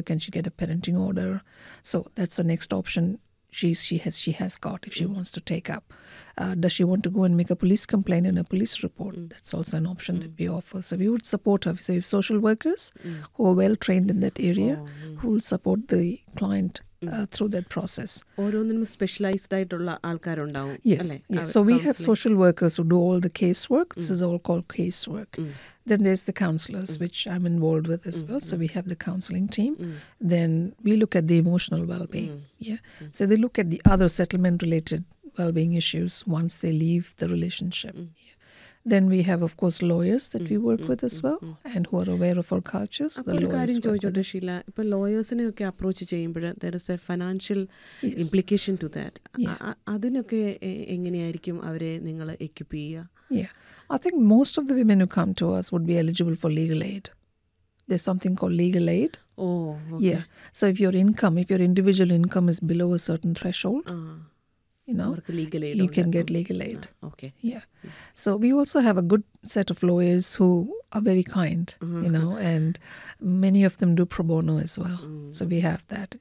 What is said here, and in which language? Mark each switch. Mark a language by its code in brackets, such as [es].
[en] Can she get a parenting order? So that's the next option she has got if she wants to take up. Does she want to go and make a police complaint in a police report? That's also an option that we offer. So we would support her. So if social workers who are well trained in that area, who will support the client through that process. [ml] ഓരോന്നിനും specialised ആയിട്ടുള്ള ആൾക്കാരുണ്ടാവും. [en] Yes. So we have social workers who do all the case work. This is all called case work. Then there's the counsellors, which I'm involved with as well. So we have the counselling team. Then we look at the emotional well-being. So they look at the other settlement-related well-being issues once they leave the relationship. Then we have, of course, lawyers that we work with as well and who are aware of our cultures. So the lawyers [ml] ഇപ്പോൾ ലോയേഴ്സിനെ ഒക്കെ approach ചെയ്യുമ്പോൾ [en] there is a financial implication to that. [ml] അതിനൊക്കെ എങ്ങനെയായിരിക്കും അവരെ നിങ്ങൾ equip ചെയ്യുക? [en] I think most of the women who come to us would be eligible for legal aid. There's something called legal aid. Oh, okay. Yeah. So if your income, if your individual income is below a certain threshold, you know, legal aid you can get legal aid. Okay. Yeah. So we also have a good set of lawyers who are very kind, you know, and many of them do pro bono as well. So we have that.